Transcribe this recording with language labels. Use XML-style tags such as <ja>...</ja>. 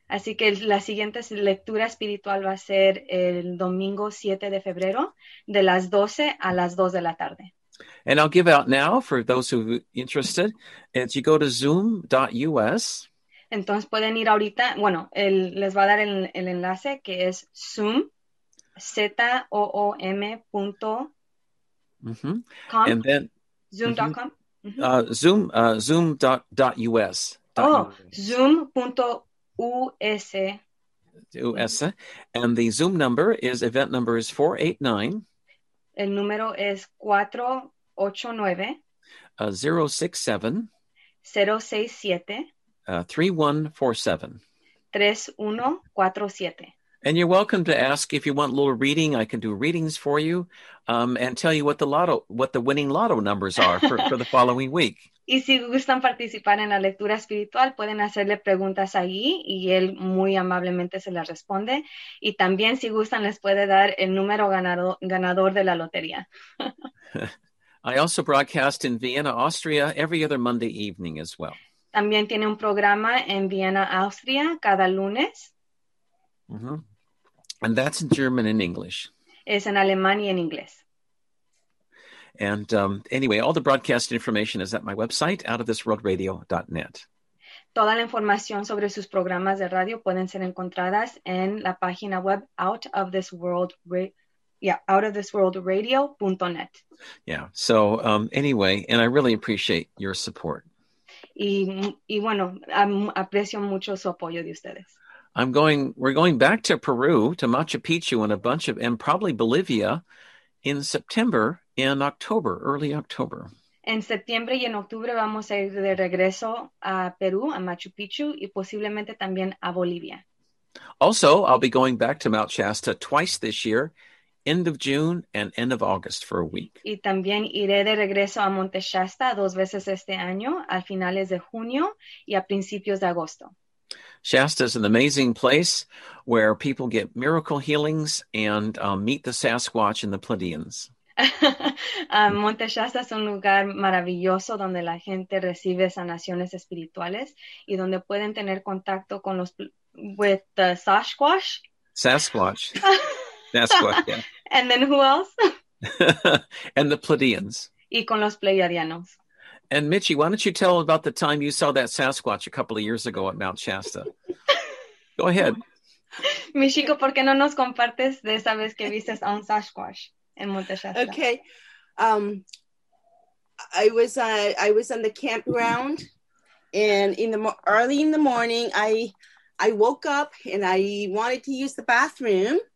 <es>Así que la siguiente lectura espiritual va a ser el domingo 7 de febrero de las 12 a las 2 de la tarde.</es> <en>And I'll give out now for those who are interested. If you go to zoom.us.</en> <es>Entonces pueden ir ahorita. Bueno, les va a dar el enlace que es zoom, zoom.com.</es> <en>Zoom.us. Zoom.us. US. And the Zoom number is, event number is 489.</en> <es>El número es 489. 067. 067. 3147. 3147.</es> <en>And you're welcome to ask if you want a little reading. I can do readings for you and tell you what the winning lotto numbers are for the following week.</en> <es>Y si gustan participar en la lectura espiritual, pueden hacerle preguntas ahí y él muy amablemente se las responde. Y también si gustan, les puede dar el número ganador de la lotería.</es> <en>I also broadcast in Vienna, Austria, every other Monday evening as well.</en> <es>También tiene un programa en Vienna, Austria, cada lunes.</es> <en>Mm-hmm. And that's in German and English.</en> <es>Es en alemán y en inglés.</es> <en>And anyway, all the broadcast information is at my website, outofthisworldradio.net.</en> <es>Toda la información sobre sus programas de radio pueden ser encontradas en la página web outofthisworldradio.net.</es> <en>Yeah, so anyway, and I really appreciate your support.</en> <es>Y bueno, aprecio mucho su apoyo de ustedes.</es> <en>We're going back to Peru, to Machu Picchu and a bunch of, and probably Bolivia in September and October, early October.</en> <es>En septiembre y en octubre vamos a ir de regreso a Perú, a Machu Picchu y posiblemente también a Bolivia.</es> <en>Also, I'll be going back to Mount Shasta twice this year, end of June and end of August for a week.</en> <es>Y también iré de regreso a Monte Shasta dos veces este año, a finales de junio y a principios de agosto.</es> <en>Shasta is an amazing place where people get miracle healings and meet the Sasquatch and the Pleiadians.</en> <es>Monte Shasta es un lugar maravilloso donde la gente recibe sanaciones espirituales y donde pueden tener contacto con los</es> <en>with the Sasquatch. Sasquatch. Sasquatch, yeah. And then who else? And the Pleiadians.</en> <es>Y con los Pleiadianos.</es> <en>And Mitchie, why don't you tell about the time you saw that Sasquatch a couple of years ago at Mount Shasta? Go ahead.</en> <es>Mi chico, ¿por qué no nos compartes de esa vez que viste a un Sasquatch en Monte Shasta?</es> <en>Okay. I was on the campground, and early in the morning, I woke up and I wanted to use the bathroom.</en>